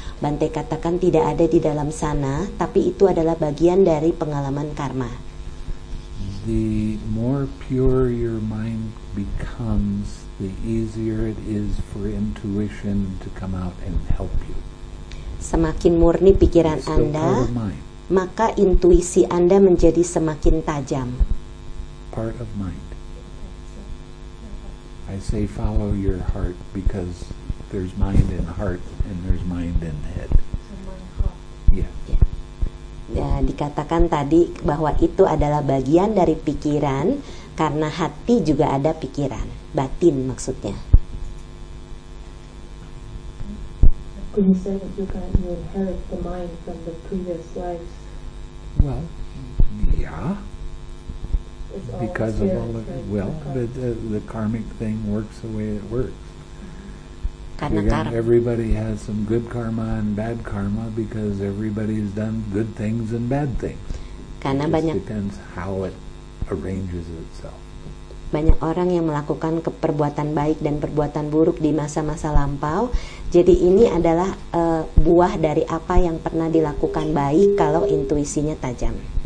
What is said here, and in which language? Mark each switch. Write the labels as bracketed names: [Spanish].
[Indonesian] Bante katakan tidak ada di dalam sana, tapi itu adalah bagian dari pengalaman karma. [English] The more pure your mind becomes, the easier it is for intuition to come out and help you. [Indonesian] Semakin murni pikiran Anda, maka intuisi Anda menjadi semakin tajam. [English] Part of mind. I say follow your heart because there's mind in heart and there's mind in head. Yeah. [Indonesian] Ya, dikatakan tadi bahwa itu adalah bagian dari pikiran, karena hati juga ada pikiran. Batin maksudnya. [English] Could you say that you can inherit the mind from the previous lives? Well, yeah. Because of all of it. Well, the karmic thing works the way it works. Everybody has some good karma and bad karma because everybody has done good things and bad things. [Indonesian] Karena [English] it just [Indonesian] banyak. [English] Depends how it arranges itself. [Indonesian] Banyak orang yang melakukan perbuatan baik dan perbuatan buruk di masa-masa lampau. Jadi ini adalah buah dari apa yang pernah dilakukan baik kalau intuisinya tajam.